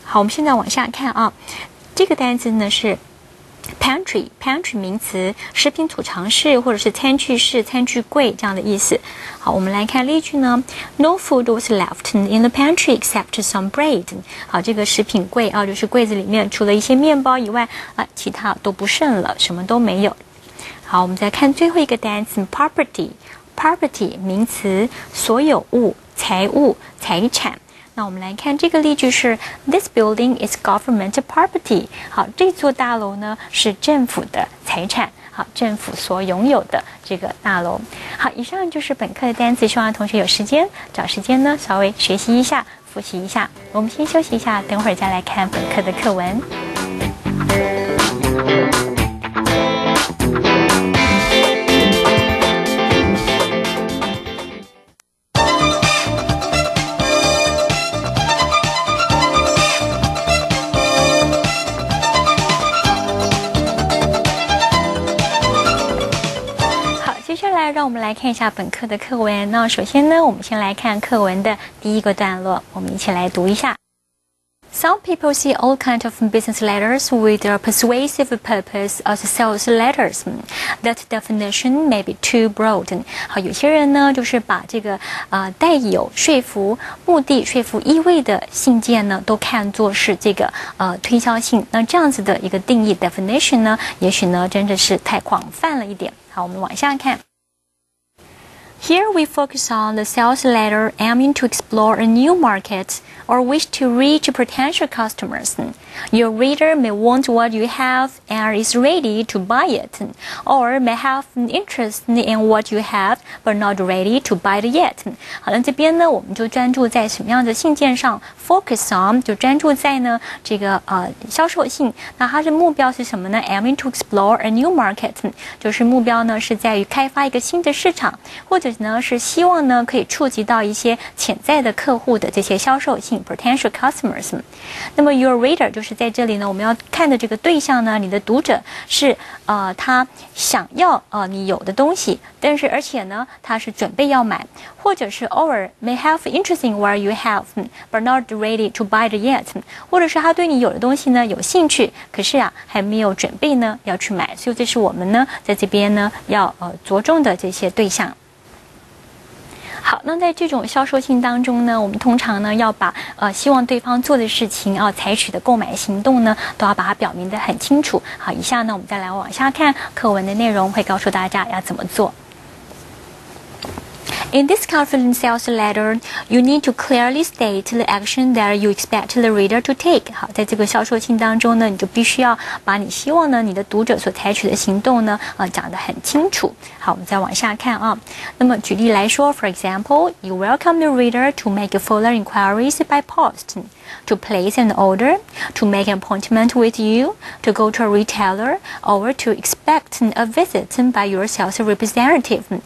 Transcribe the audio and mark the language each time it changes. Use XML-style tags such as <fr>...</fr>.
<zh>好，我们现在往下看啊，这个单词呢是 pantry 名词，食品储藏室或者是餐具室、餐具柜这样的意思。好，我们来看例句呢。</zh> <en>No food was left in the pantry except some bread.</en> <zh>好，这个食品柜啊，就是柜子里面除了一些面包以外啊，其他都不剩了，什么都没有。好，我们再看最后一个单词 ，property。property 名词，所有物、财物、财产。那我们来看这个例句是 ：</zh> <en>This building is government property.</en> <zh>好，这座大楼呢是政府的财产。好，政府所拥有的这个大楼。好，以上就是本课的单词，希望同学有时间找时间呢稍微学习一下，复习一下。我们先休息一下，等会儿再来看本课的课文。让我们来看一下本课的课文。那首先呢，我们先来看课文的第一个段落，我们一起来读一下。</zh> <en>Some people see all kinds of business letters with a persuasive purpose as sales letters. That definition may be too broad.</en> <zh>好，有些人呢，就是把这个带有说服目的、说服意味的信件呢，都看作是这个推销信。那这样子的一个定义 definition 呢，也许呢，真的是太广泛了一点。好，我们往下看。</zh> <en>Here we focus on the sales letter aiming to explore a new market or wish to reach potential customers. Your reader may want what you have and is ready to buy it, or may have an interest in what you have but not ready to buy it yet.</en> <zh>好了，这边呢，我们就专注在什么样的信件上 ？</zh> <en>Focus on</en> <zh>就专注在呢这个销售信。那它的目标是什么呢 ？</zh> <en>Aiming to explore a new market，</en> <zh>就是目标呢是在于开发一个新的市场，或者呢是希望呢可以触及到一些潜在的客户的这些销售性</zh> <en>potential customers。</en> <zh>那么</zh> <en>your reader</en> <zh>就是在这里呢我们要看的这个对象呢，你的读者是他想要你有的东西，但是而且呢他是准备要买，或者是</zh> <en>or may have interest in what you have but not ready to buy it yet，</en> <zh>或者是他对你有的东西呢有兴趣，可是啊还没有准备呢要去买。所以这是我们呢在这边呢要着重的这些对象。好，那在这种销售性当中呢，我们通常呢要把希望对方做的事情啊，采取的购买行动呢，都要把它表明得很清楚。好，以下呢我们再来往下看课文的内容，会告诉大家要怎么做。</zh> <en>In this confident sales letter, you need to clearly state the action that you expect the reader to take.</en> <zh>好，在这个销售信当中呢，你就必须要把你希望呢你的读者所采取的行动呢，讲得很清楚。好，我们再往下看啊。那么举例来说</zh> <en>，for example, you welcome the reader to make further inquiries by post, to place an order, to make an appointment with you, to go to a retailer, or to expect a visit by your sales representative.</en>